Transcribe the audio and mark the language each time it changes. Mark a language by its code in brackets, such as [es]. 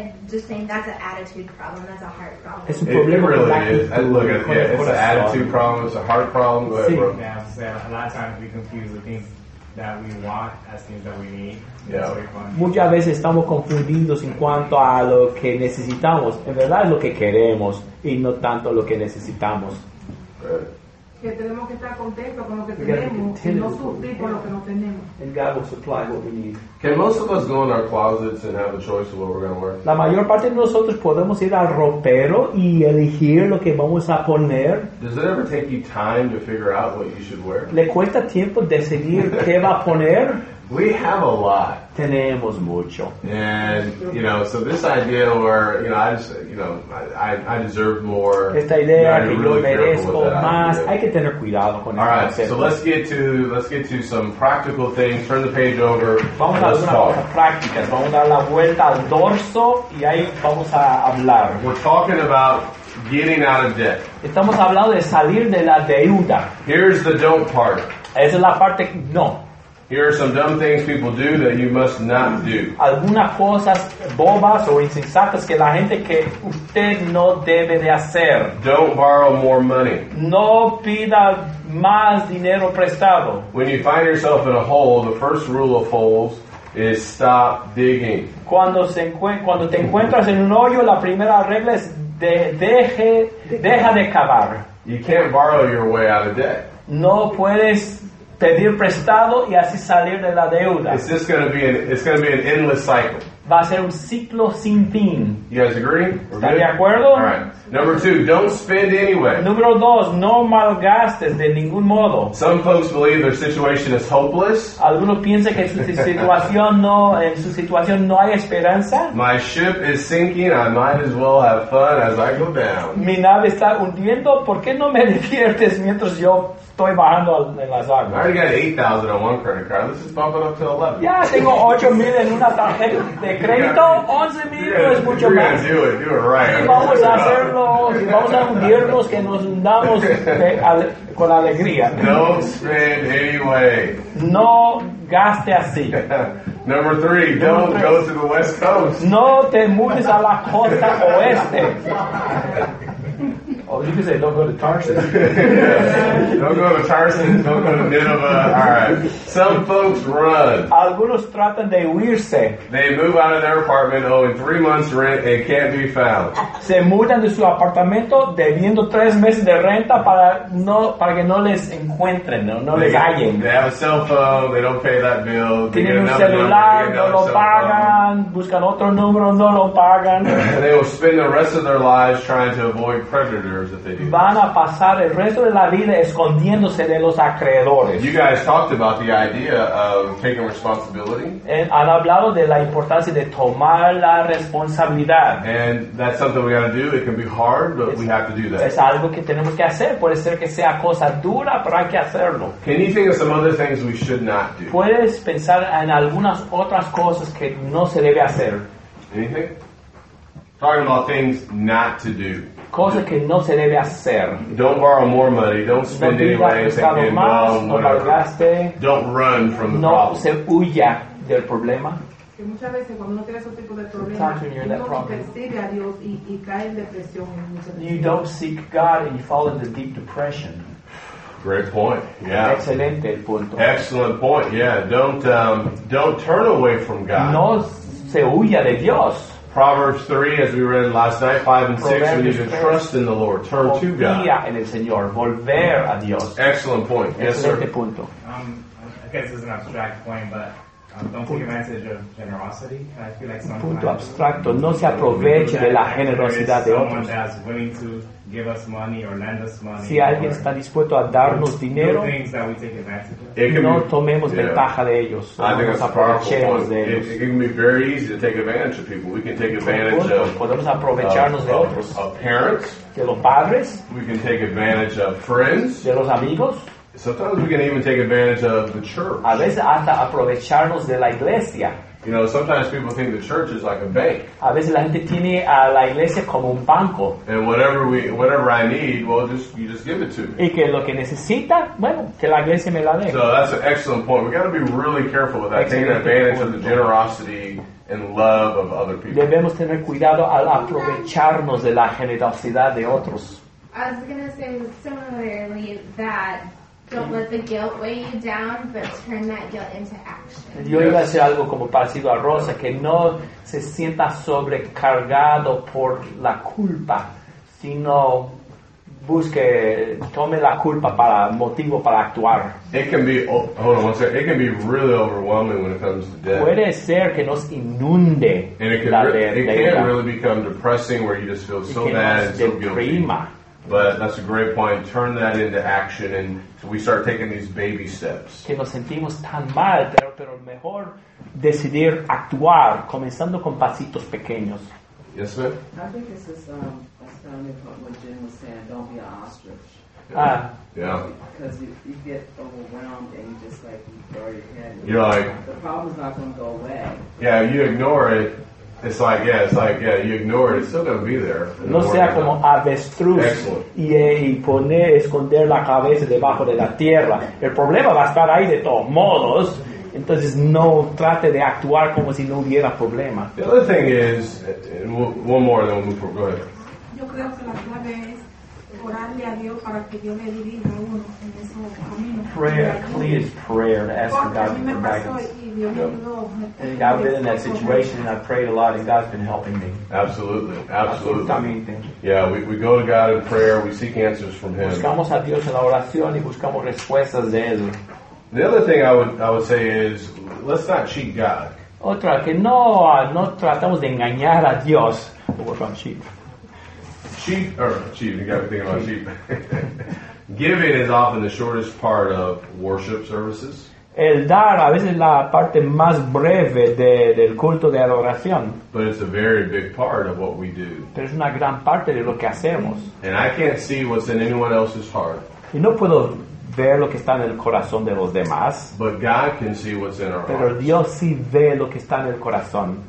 [en] Just saying that's an attitude problem, that's a heart problem. It really is. Look, it's an attitude problem, it's a heart problem. Go ahead, bro. Yeah, a lot of times we confuse the things that we want as things that we need. Yeah. [es] Muchas veces estamos confundidos en cuanto a lo que necesitamos. En verdad es lo que queremos y no tanto lo que necesitamos. Que tenemos que estar contentos con lo que tenemos y no sufrir por lo que no tenemos. [en] And God will supply what we need. Can most of us go in our closets and have a choice of what we're going to wear? [es] La mayor parte de nosotros podemos ir al ropero y elegir lo que vamos a poner. [en] Does it ever take you time to figure out what you should wear? [es] ¿Le cuesta tiempo decidir qué va a poner? [en] We have a lot. [es] Tenemos mucho. [en] And, you know, so this idea where, you know, I deserve more. [es] Esta idea, [en] you know, [es] que [en] really [es] yo merezco más. Hay que tener cuidado con [en] esto. All right, so let's get to some practical things. Turn the page over. [es] Vamos a hacer una cosa práctica. Vamos a dar la vuelta al dorso y ahí vamos a hablar. [en] We're talking about getting out of debt. [es] Estamos hablando de salir de la deuda. [en] Here's the don't part. [es] Esa es la parte no. [en] Here are some dumb things people do that you must not do. [es] Algunas cosas bobas o insensatas que la gente que usted no debe de hacer. [en] Don't borrow more money. [es] No pida más dinero prestado. [en] When you find yourself in a hole, the first rule of holes is stop digging. [es] Cuando te encuentras en un hoyo, la primera regla es deja de cavar. [en] You can't borrow your way out of debt. [es] No puedes pedir prestado y así salir de la deuda. [en] It's going to be an endless cycle. [es] Va a ser un ciclo sin fin. [en] You guys agree? [es] ¿Están de acuerdo? [en] All right. Number two, don't spend anyway. [es] Número dos, no malgastes de ningún modo. [en] Some folks believe their situation is hopeless. [es] Algunos piensan que su situación no, en su situación no hay esperanza. [en] My ship is sinking. I might as well have fun as I go down. [es] Mi nave está hundiendo. ¿Por qué no me diviertes mientras yo estoy bajando en las aguas? [en] I already got $8,000 on one credit card. Let's just bump it up to $11,000. [es] Ya tengo $8,000 en una tarjeta. De crédito, 11,000 no es mucho más. [en] Do it right. [es] Vamos a hacerlo. Si vamos a hundirnos, que nos hundamos con alegría. [en] Don't spend anyway. [es] No gaste así. [en] Number three, don't go to the West Coast. [es] No te mudes a la costa oeste. [en] Oh, you can say don't go to Tarsus. Don't go to Tarsus. Don't go to Nineveh. All right. Some folks run. [es] Algunos tratan de huirse. [en] They move out of their apartment owing 3 months rent and can't be found. [es] Se mudan de su apartamento debiendo 3 meses de renta para que no les encuentren, no les hallen. [en] They have a cell phone. They don't pay that bill. [es] Tienen un celular, no lo pagan. Buscan otro número, no lo pagan. [en] And they will spend the rest of their lives trying to avoid predators. [es] Van a pasar el resto de la vida escondiéndose de los acreedores. [en] You guys talked about the idea of taking responsibility. And [es] han hablado de la importancia de tomar la responsabilidad. [en] And that's something we got to do. It can be hard, but we have to do that. [es] Es algo que tenemos que hacer. Puede ser que sea cosa dura, pero hay que hacerlo. [en] Can you think of some other things we should not do? [es] Puedes pensar en algunas otras cosas que no se debe hacer. [en] Anything? Talking about things not to do. [es] Cosa que no se debe hacer. [en] Don't borrow more money. Don't spend [es] no [en] any money. [es] Más, no malgaste. [en] Don't run from the [es] no [en] problem. [es] No se huya del problema. Que muchas veces cuando no tienes ese tipo de problema, no persigue a Dios y cae en depresión. [en] You don't seek God and you fall into deep depression. Great point. Yeah. [es] Excelente punto. [en] Excellent point. Yeah. Don't turn away from God. [es] No se huya de Dios. [en] Proverbs 3, as we read last night, 5 and 6, we need to trust in the Lord. Turn to God. [es] Confía en el Señor. Volver a Dios. [en] Excellent point. Yes, sir. I guess this is an abstract point, but don't take advantage of generosity. I feel like sometimes... [es] Punto abstracto. No se aproveche de la generosidad de otros. [en] If someone that's willing to give us money or lend us money... [es] Si alguien está dispuesto a darnos dinero... [en] No things that we take advantage of. [es] No tomemos ventaja de ellos. [en] I think that's a powerful point. It can be very easy to take advantage of people. We can take advantage of... [es] Podemos aprovecharnos de otros. [en] Of parents. [es] De los padres. [en] We can take advantage of friends. [es] De los amigos. [en] Sometimes we can even take advantage of the church. [es] A veces hasta aprovecharnos de la iglesia. [en] You know, sometimes people think the church is like a bank. [es] A veces la gente tiene a la iglesia como un banco. [en] And whatever I need, well, you just give it to me. [es] Y que lo que necesita, bueno, que la iglesia me la dé. [en] So that's an excellent point. We got to be really careful with that. [es] Excelente [en] taking advantage [es] punto. [en] Of the generosity and love of other people. [es] Debemos tener cuidado al aprovecharnos de la generosidad de otros. [en] I was going to say similarly that. Don't let the guilt weigh you down, but turn that guilt into action. [es] Yo iba a hacer algo como parecido a Rosa, que no se sienta sobrecargado por la culpa, sino busque, tome la culpa para motivo para actuar. [en] It can be really overwhelming when it comes to death. [es] Puede ser que nos inunde la deuda. [en] It can really become depressing where you just feel so bad and so [es] deprima. [en] Guilty. But that's a great point. Turn that into action, and so we start taking these baby steps. [es] Que nos sentimos tan mal, pero mejor decidir actuar, comenzando con pasitos pequeños. [en] Yes, ma'am? I think this is astounding what Jim was saying. Don't be an ostrich. Ah. Yeah. Because you get overwhelmed, and you just, like, you throw your head. You're like... The problem's not going to go away. Yeah, you ignore it. It's like, you ignore it. It's still going to be there. [es] No sea como avestruz. [en] Excellent. [es] Y poner, esconder la cabeza debajo de la tierra. El problema va a estar ahí de todos modos. Entonces, no trate de actuar como si no hubiera problema. [en] The other thing is, one more, then we'll move forward. Go ahead. [es] Yo creo que la clave es orarle a Dios para que Dios le dirija uno en ese camino. [en] Prayer, please prayer to ask for God for guidance. Yep. And I've been in that situation and I prayed a lot and God's been helping me. Absolutely, absolutely. [es] Absolutamente. [en] Yeah, we go to God in prayer, we seek answers from Him. [es] Buscamos a Dios en la oración y buscamos respuestas de Él. [en] The other thing I would say is, let's not cheat God. [es] Otra, que no, no tratamos de engañar a Dios. [en] We'll work on sheep. Sheep, or sheep, you got me thinking about sheep. Giving is often the shortest part of worship services. [es] El dar a veces es la parte más breve de, del culto de adoración. [en] But it's a very big part of what we do. [es] Pero es una gran parte de lo que hacemos. [en] And I can't see what's in anyone else's heart. [es] Y no puedo ver lo que está en el corazón de los demás. [en] But God can see what's in our hearts. [es] Pero Dios sí ve lo que está en el corazón.